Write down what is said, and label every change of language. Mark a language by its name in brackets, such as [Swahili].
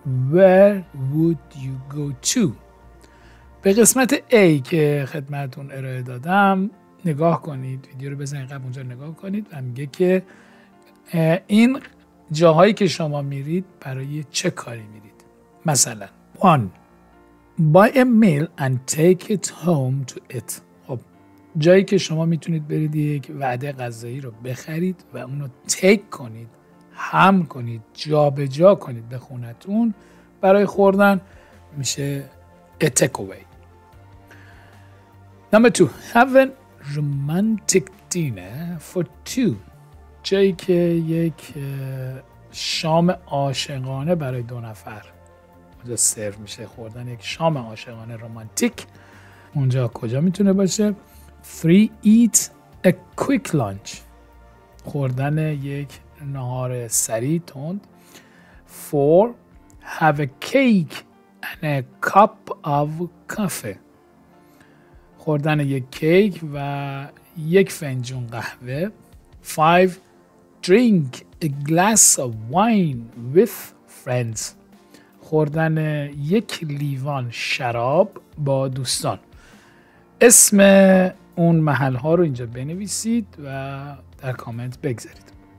[English] Where would you go to؟ [Persian] به قسمت A که خدمتون ارائه دادم نگاه کنید، ویدیو رو بزنید قبل اونجا نگاه کنید، و میگه که این جاهایی که شما میرید برای چه کاری میرید. مثلا 1. [English] Buy a meal and take it home to eat. [Persian] خب جایی که شما میتونید برید یک وعده غذایی رو بخرید و اونو تیک کنید، حمل کنید، جا به جا کنید به خونتون برای خوردن، میشه [English] a takeaway. Number 2. Have an romantic dinner for two، [Persian] جایی که یک شام عاشقانه برای دو نفر اونجا سرو میشه، خوردن یک شام عاشقانه رمانتیک اونجا کجا میتونه باشه؟ [English] Three, eat a quick lunch. [Persian] خوردن یک نهار سریع تند. [English] Four, have a cake and a cup of coffee. [Persian] خوردن یک کیک و یک فنجون قهوه. [English] Five, drink a glass of wine with friends. [Persian] خوردن یک لیوان شراب با دوستان. اسم اون محل ها رو اینجا بنویسید و در کامنت بگذارید.